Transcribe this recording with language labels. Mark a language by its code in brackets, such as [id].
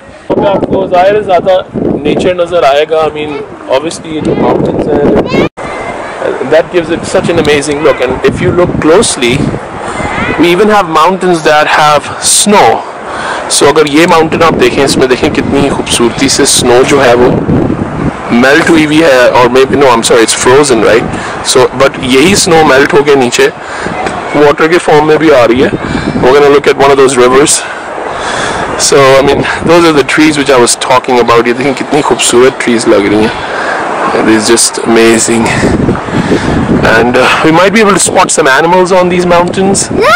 [hi] Okay, आपको ज़ाहिर है ज़्यादा nature नज़र आएगा. [en] I mean, obviously [hi] ये जो mountains हैं, [en] that gives it such an amazing look. And if you look closely, we even have mountains that have snow. [hi] So अगर ये mountain आप देखें, इसमें देखें कितनी खूबसूरती से snow जो है वो melt हुई भी है. [en] Or maybe no, I'm sorry, it's frozen, right? So, but [hi] यही snow melt हो गया नीचे. वाटर के फॉर्म में भी आ रही है. [en] We're gonna look at one of those rivers. So, I mean, those are the trees which I was talking about. [hi] ये देखें कितनी खूबसूरत trees लग रही हैं. [en] It is just amazing. And we might be able to spot some animals on these mountains.